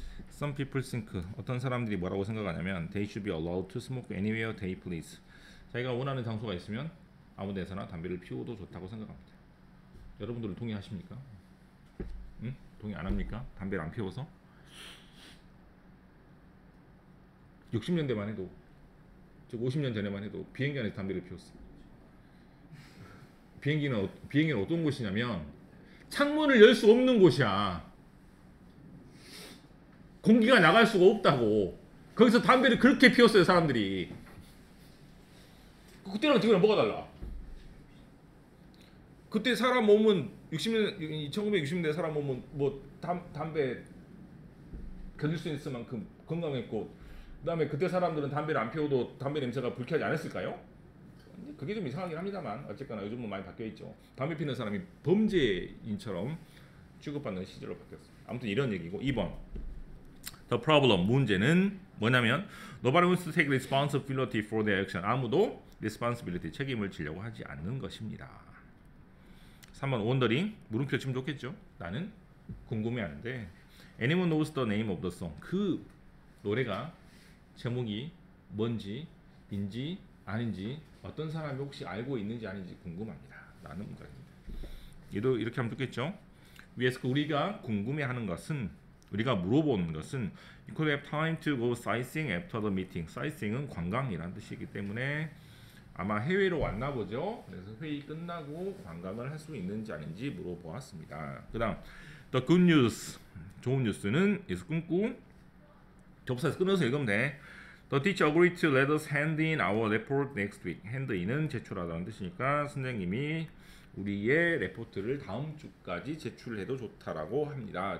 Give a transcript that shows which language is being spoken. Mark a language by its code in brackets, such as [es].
[en] Some people think [ko] 어떤 사람들이 뭐라고 생각하냐면 [en] they should be allowed to smoke anywhere they please. [ko] 자기가 원하는 장소가 있으면 아무 데서나 담배를 피워도 좋다고 생각합니다. 여러분들은 동의하십니까? 응? 동의 안 합니까? 담배를 안 피워서? 60년대만 해도 즉 50년 전에만 해도 비행기 안에서 담배를 피웠어. 비행기는 어떤 곳이냐면 창문을 열 수 없는 곳이야. 공기가 나갈 수가 없다고. 거기서 담배를 그렇게 피웠어요, 사람들이. 그때랑 지금이랑 뭐가 달라? 그때 사람 몸은 1960년대 사람 몸은 뭐 담배 견딜 수 있을 만큼 건강했고 그다음에 그때 사람들은 담배를 안 피워도 담배 냄새가 불쾌하지 않았을까요? 그게 좀 이상하긴 합니다만 어쨌거나 요즘은 많이 바뀌어 있죠. 담배 피는 사람이 범죄인처럼 취급받는 시절로 바뀌었어요. 아무튼 이런 얘기고 2번 [en] The problem, [ko] 문제는 뭐냐면 [en] Nobody wants to take responsibility for their action. [ko] 아무도 responsibility, 책임을 지려고 하지 않는 것입니다. 3번 wondering, 물음표 치면 좋겠죠. 나는 궁금해하는데 [en] Anyone knows the name of the song? [ko] 그 노래가 제목이 뭔지, 인지, 아닌지 어떤 사람이 혹시 알고 있는지 아닌지 궁금합니다. 라는 문장입니다. 얘도 이렇게 하면 좋겠죠. 위에서 우리가 궁금해하는 것은 우리가 물어보는 것은 [en] You could have time to go sightseeing after the meeting. [ko] sightseeing은 관광이라는 뜻이기 때문에 아마 해외로 왔나 보죠. 그래서 회의 끝나고 관광을 할 수 있는지 아닌지 물어보았습니다. 그 다음 [en] The good news, [ko] 좋은 뉴스는 여기서 끊고 접사에서 끊어서 읽으면 돼. [en] The teacher agreed to let us hand in our report next week. [ko] hand in은 제출하다는 뜻이니까 선생님이 우리의 레포트를 다음 주까지 제출해도 좋다라고 합니다.